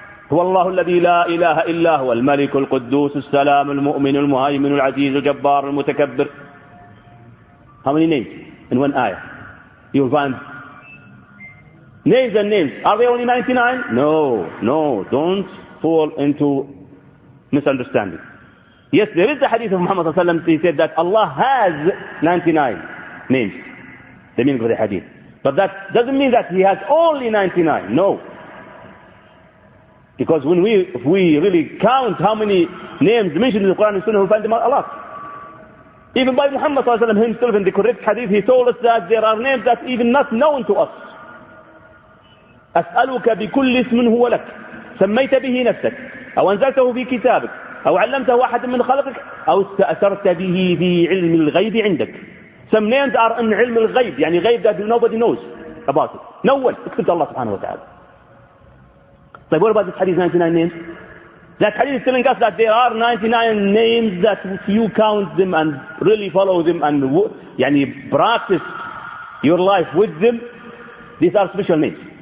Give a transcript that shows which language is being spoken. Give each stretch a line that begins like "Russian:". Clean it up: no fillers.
Arabic: هو الله الذي لا إله إلا هو الملك القدوس السلام المؤمن المهيمن العزيز الجبار المتكبر.
English: How many names in one ayah? You'll find names and names. Are they only 99? No. Don't fall into misunderstanding. Yes, there is the hadith of Muhammad صلى الله عليه وسلم. He said that Allah has 99 names. The meaning of the hadith. But that doesn't mean that He has only 99. No. Because when if we really count how many names mentioned in the Quran and Sunnah, we find them a lot. Even by Muhammad صلى الله عليه وسلم himself in the correct hadith, he told us that there are names that even not known to us.
Arabic: أسألك بكل اسم هو لك سميت به نفسك أو أنزلته في كتابك أو علمته أحد من خلقك أو استأثرت به في علم الغيب عندك.
English: Some names are in
Arabic: علم الغيب, يعني غيب
English: that nobody knows about it. No one except Allah سبحانه وتعالى.
Arabic: طيب,
English: what about this hadith 99 names? That hadith is telling us that there are 99 names that if you count them and really follow them and يعني practice your life with them, these are special names.